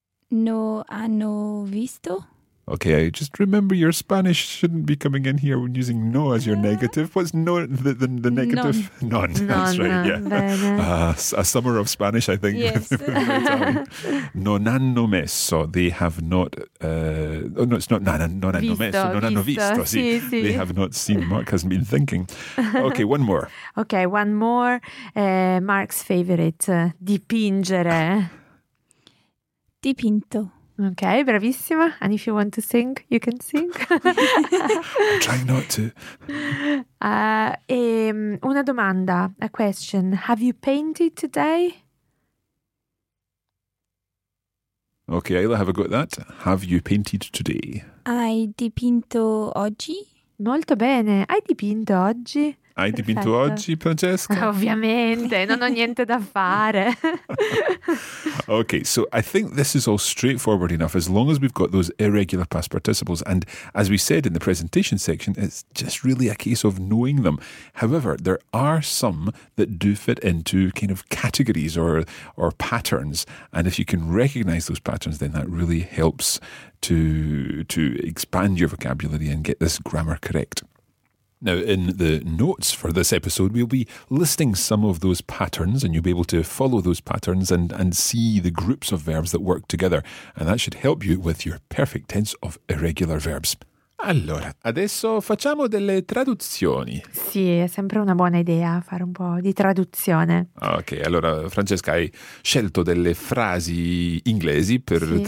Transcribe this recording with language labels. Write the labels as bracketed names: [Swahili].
[Italian] No hanno visto. [English] Okay, just remember your Spanish shouldn't be coming in here when using no as your negative. What's no, the negative? None. None. That's right, yeah. A summer of Spanish, I think. Yes. [Italian] Non hanno messo. [English] They have not... oh, no, it's not [Italian] non hanno messo. Non hanno visto. Sì. [English] They have not seen. Mark hasn't been thinking. Okay, one more. Okay, one more. Mark's favorite. Dipingere. [Italian] Dipinto. Okay, bravissima. [English] And if you want to sing, you can sing. I'm trying not to. [Italian] Una domanda, [English] a question. Have you painted today? Okay, Ayla, have a go at that. Have you painted today? [Italian] Hai dipinto oggi? Molto bene. Hai dipinto oggi? Hai dipinto oggi, Francesca? Ovviamente, non ho niente da fare. [English] Okay, so I think this is all straightforward enough as long as we've got those irregular past participles. And as we said in the presentation section, it's just really a case of knowing them. However, there are some that do fit into kind of categories or patterns. And if you can recognize those patterns, then that really helps to expand your vocabulary and get this grammar correct. Now, in the notes for this episode, we'll be listing some of those patterns and you'll be able to follow those patterns and see the groups of verbs that work together. And that should help you with your perfect tense of irregular verbs. [Italian] Allora, adesso facciamo delle traduzioni. Sì, è sempre una buona idea fare un po' di traduzione. Ok, allora Francesca, hai scelto delle frasi inglesi per sì.